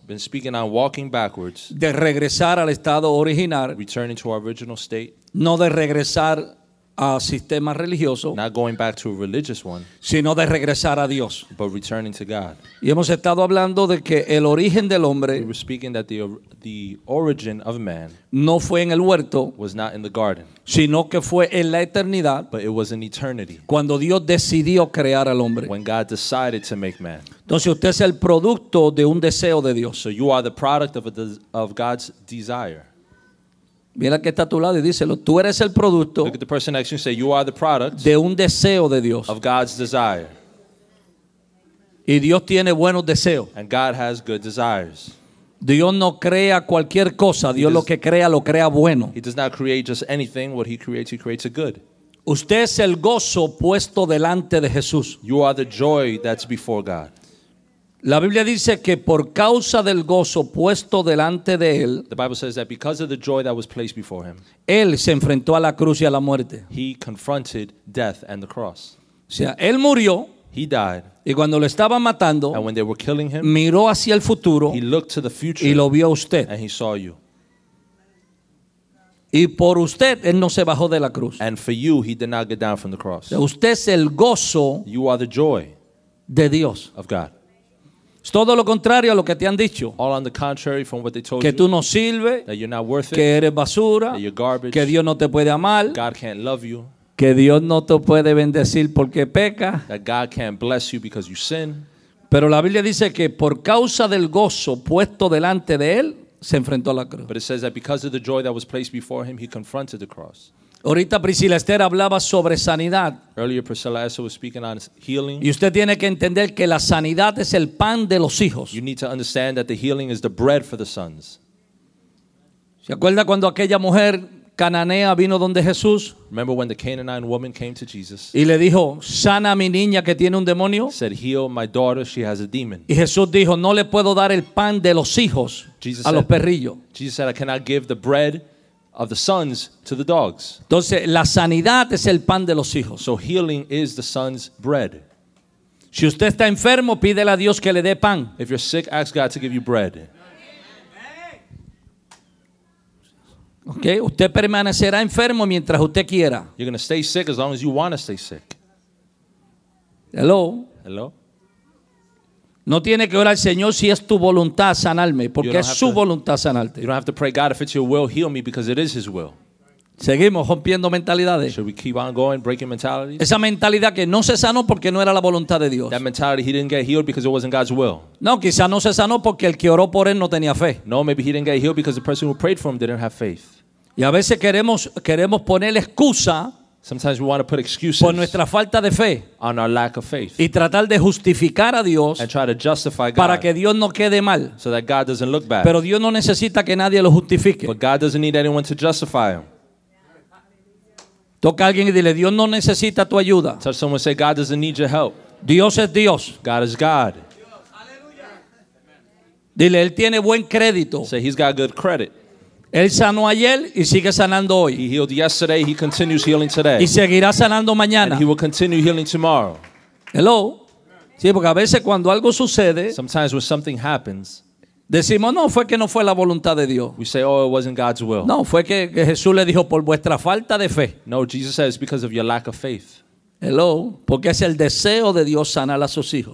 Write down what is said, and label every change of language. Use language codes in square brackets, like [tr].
[en] Been speaking on walking backwards. [es] De regresar al estado original. [en] Returning to our original state. [es] No de regresar a sistema religioso, [en] not going back to a religious one, [es] sino de regresar a Dios, [en] but returning to God. [es] Y hemos estado hablando de que el origen del hombre, [en] we were speaking that the origin of man, [es] no fue en el huerto, [en] was not in the garden, [es] sino que fue en la eternidad, [en] but it was in eternity, [es] cuando Dios decidió crear al hombre, [en] when God decided to make man. [es] Entonces usted es el producto de un deseo de Dios. [en] So you are the product of God's desire. [es] Mira que está a tu lado y díselo. Tú eres el producto. [en] Look at the person next to you and say, you are the product [es] de un deseo de Dios. [en] Of God's desire. [es] Y Dios tiene buenos deseos. [en] And God has good desires. [es] Dios no crea cualquier cosa. Dios lo que crea, lo crea bueno. [en] He does not create just anything. What he creates a good. [es] Usted es el gozo puesto delante de Jesús. [en] You are the joy that's before God. [es] La Biblia dice que por causa del gozo puesto delante de él, [en] the Bible says that because of the joy that was placed before him, [es] él se enfrentó a la cruz y a la muerte. [en] He confronted death and the cross. [es] O sea, él murió. [en] He died. [es] Y cuando lo estaban matando, [en] and when they were killing him, [es] miró hacia el futuro. [en] He looked to the future. [es] Y lo vio usted. [en] And he saw you. [es] Y por usted él no se bajó de la cruz. [en] And for you he did not get down from the cross. [es] O sea, usted es el gozo. [en] You are the joy. [es] De Dios. [en] Of God. [es] Es todo lo contrario a lo que te han dicho. [en] All on the contrary from what they told [es] que [en] you, [es] tú no sirves. [en] That you're not worth it, [es] que eres basura. [en] That you're garbage, [es] que Dios no te puede amar. [en] God can't love you, [es] que Dios no te puede bendecir porque peca. [en] That God can't bless you because you sin. [es] Pero la Biblia dice que por causa del gozo puesto delante de él, se enfrentó a la cruz. [en] But it says that because of the joy that was placed before him, he confronted the cross. [es] Ahorita Priscila Esther hablaba sobre sanidad. [en] Earlier Priscilla Esther was speaking on healing. [es] Y usted tiene que entender que la sanidad es el pan de los hijos. [en] You need to understand that the healing is the bread for the sons. [es] ¿Se acuerda cuando aquella mujer cananea vino donde Jesús? [en] Remember when the Canaanite woman came to Jesus? [es] Y le dijo, sana a mi niña que tiene un demonio. [en] Said, heal my daughter, she has a demon. [es] Y Jesús dijo, no le puedo dar el pan de los hijos [en] Jesus [es] a los perrillos. [en] Jesus said, I cannot give the bread of the sons to the dogs. [es] Entonces, la sanidad es el pan de los hijos. [en] So healing is the son's bread. [es] Si usted está enfermo, pídele a Dios que le dé pan. [en] If you're sick, ask God to give you bread. [es] Okay, usted permanecerá enfermo mientras usted quiera. [en] You're going to stay sick as long as you want to stay sick. Hello. Hello. [es] No tiene que orar al Señor si es tu voluntad sanarme, porque es su voluntad sanarte. [en] You don't have to pray God if it's your will, heal me, because it is his will. [es] Seguimos rompiendo mentalidades. [en] Should we keep on going, breaking mentalities? [es] Esa mentalidad que no se sanó porque no era la voluntad de Dios. [en] That mentality, he didn't get healed because it wasn't God's will. [es] No, quizá no se sanó porque el que oró por él no tenía fe. [en] No, maybe he didn't get healed because the person who prayed for him didn't have faith. [es] Y a veces queremos poner excusa. [en] Sometimes we want to put excuses [es] por nuestra falta de fe, [en] on our lack of faith, [es] y tratar de justificar a Dios, [en] and try to justify God, [es] para que Dios no quede mal, [en] so that God doesn't look bad. [es] Pero Dios no necesita que nadie lo justifique. [en] But God doesn't need anyone to justify him. [es] Toca a alguien y dile, Dios no necesita tu ayuda. [en] Touch someone and say, God doesn't need your help. [es] Dios es Dios. [en] God is God. [es] Dile, él tiene buen crédito. [en] Say, he's got good credit. [es] Él sanó ayer y sigue sanando hoy. [en] He healed yesterday, he continues healing today. [es] Y seguirá sanando mañana. [en] And he will continue healing tomorrow. Hello. [es] Sí, porque a veces cuando algo sucede, [en] sometimes when something happens, [es] decimos, no, fue que no fue la voluntad de Dios. [en] We say, oh, it wasn't God's will. [es] No, fue que Jesús le dijo, por vuestra falta de fe. [en] No, Jesus says, because of your lack of faith. Hello. [es] Porque es el deseo de Dios sanar a sus hijos.